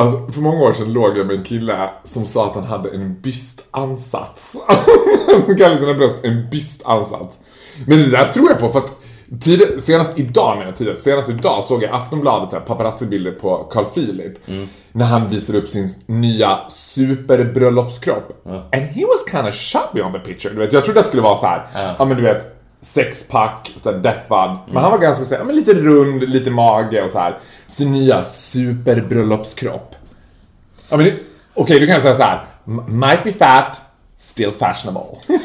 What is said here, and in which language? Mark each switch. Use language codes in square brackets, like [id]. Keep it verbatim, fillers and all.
[sv] Alltså, för många år sedan låg jag med en kille som sa att han hade en bystansats. Han kallade den här bröst en bystansats. Men det där tror jag på för att tid... senast idag mina tider, senast idag såg jag Aftonbladet så här, paparazzi-bilder på Carl Philip mm. när han visar upp sin nya superbröllopskropp. Ja. [en] And he was kind of chubby on the picture. [sv] Du vet, jag trodde att det skulle vara så här. Ja, ja men du vet sexpack, såhär deffad mm. men han var ganska såhär, men lite rund, lite mage och så här. Sin nya superbröllopskropp. Ja men okej, okay, du kan säga så här: [en] might be fat, still fashionable.